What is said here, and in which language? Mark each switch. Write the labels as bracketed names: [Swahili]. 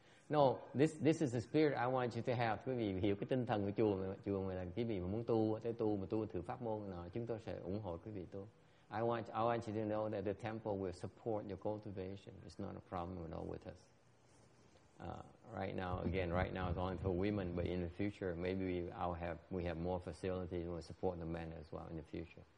[English] No, this is the spirit I want you to have. [Vietnamese] Quý vị hiểu cái tinh thần của chùa mình là quý vị mà muốn tu tới tu mà tu thử pháp môn nào, chúng tôi sẽ ủng hộ quý vị tu. [English] I want you to know that the temple will support your cultivation. It's not a problem at all with us. Right now it's only for women, but in the future maybe we have more facilities to support the men as well in the future.